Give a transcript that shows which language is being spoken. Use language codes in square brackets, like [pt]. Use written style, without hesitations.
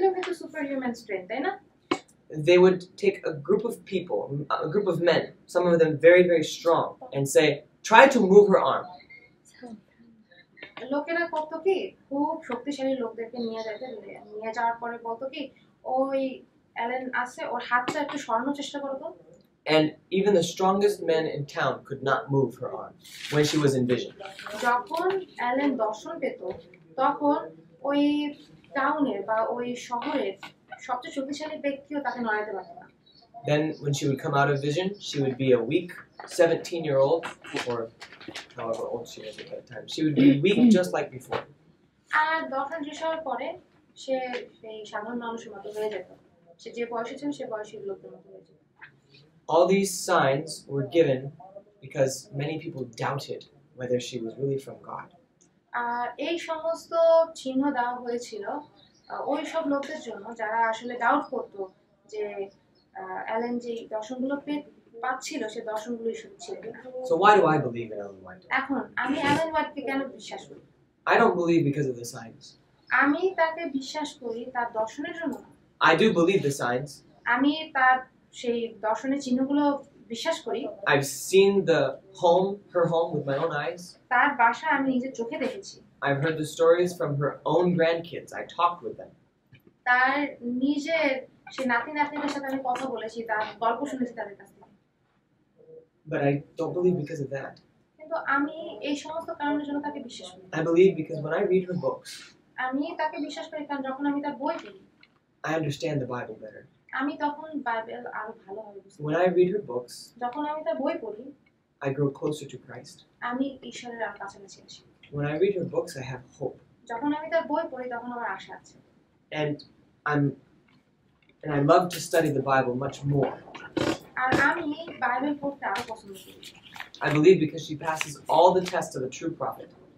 [en] Superhuman strength, right? They would take a group of people, a group of men, some of them very, very strong, and say, try to move her arm. [bn] লোকেরা করতো কি খুব শক্তিশালী লোকদেরকে নিয়ে যেতেন, নিয়ে যাওয়ার পরে বলতো কি ওই অ্যালেন আছে ওর হাতটা একটু সরানোর চেষ্টা করতো। [en] And even the strongest men in town could not move her arm when she was in vision. [bn] যখন অ্যালেন দর্শন পেত তখন ওই টাউনের বা ওই শহরের সবচেয়ে শক্তিশালী ব্যক্তিও তাকে নড়াইতে পারত না। [en] Then when she would come out of vision, she would be a weak 17-year-old, or however old she is at that time. She would be weak just like before. [bn] আর দর্শন দৃশ্যের পরে সে সেই সাধারণ মানুষের মতো হয়ে যেত, সে যে বয়সে ছিল সে বয়সের লোকের মতো হয়ে যেত। [en] All these signs were given because many people doubted whether she was really from God. [bn] এই সমস্ত চিহ্ন দেওয়া হয়েছিল ওই সব লোকদের জন্য যারা আসলে ডাউট করত যে অ্যালেন যে দর্শনগুলো পাচ্ছিল সে দর্শনগুলোই শুনছিল। [en] So why do I believe in Ellen White? [bn] এখন আমি অ্যালেন হোয়াইটকে কেন বিশ্বাস করি? [en] I don't believe because of the signs. [bn] আমি তাকে বিশ্বাস করি তার দর্শনের জন্য। [en] I do believe the signs. [bn] আমি তার সেই দর্শনের চিহ্নগুলো বিশ্বাস করি। [en] I've seen the home, her home with my own eyes. [bn] তার বাসা আমি নিজে চোখে দেখেছি। [en] I've heard the stories from her own grandkids. I talked with them. [bn] তার নিজের সেই নাতি নাতনিদের সাথে আমি কথা বলেছি, তার গল্প শুনেছি তাদের কাছ থেকে। [en] But I don't believe because of that. [bn] কিন্তু আমি এই সমস্ত কারণের জন্য তাকে বিশ্বাস করি। [en] I believe because when I read her books. [bn] আমি তাকে বিশ্বাস করি কারণ যখন আমি তার বই পড়ি। [en] I understand the Bible better. [bn] আমি তখন বাইবেল আরো ভালোভাবে বুঝি। [en] When I read her books. [bn] যখন আমি তার বই পড়ি। [en] I grow closer to Christ. [bn] আমি ঈশ্বরের কাছাকাছি আসি। [en] When I read her books I have hope. [bn] যখন আমি তার বই পড়ি তখন আমার আশা আছে। [en] And I love to study the Bible much more. [bn] আর আমি বাইবেল পড়তে আরো পছন্দ করি। [en] I believe because she passes all the tests of a true prophet.